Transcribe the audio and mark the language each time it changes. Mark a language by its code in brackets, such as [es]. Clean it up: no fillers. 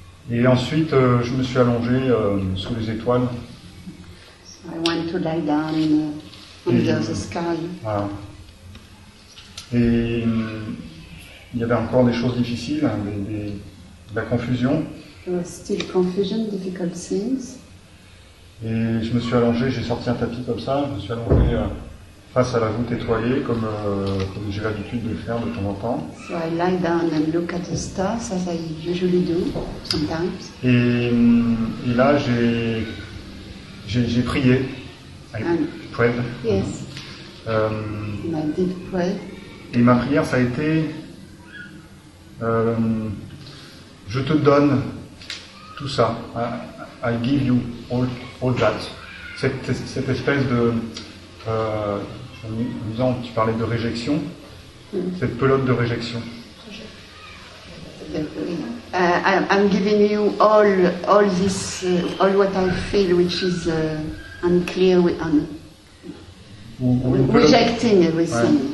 [fr] Et ensuite, je me suis allongé sous les étoiles. [en] So I went to lie down under the sky. [fr] Voilà. Et il y avait encore des choses difficiles, de la confusion. [en] There was still confusion, difficult things. [fr] Et je me suis allongé, j'ai sorti un tapis comme ça, je me suis allongé face à la voûte étoilée, comme j'ai l'habitude de le faire de temps en temps. [en] So I lie down and look at the stars, as I usually do, sometimes. [fr] Et là, j'ai prié. [en] I prayed. Yes. And I did pray. [fr] Et ma prière, ça a été... je te donne tout ça. [en] I give you all that. [fr] Cette espèce de... En disant, tu parlais de réjection, cette pelote de réjection. [en] I'm giving you all this, all what I feel, which is unclear, rejecting everything.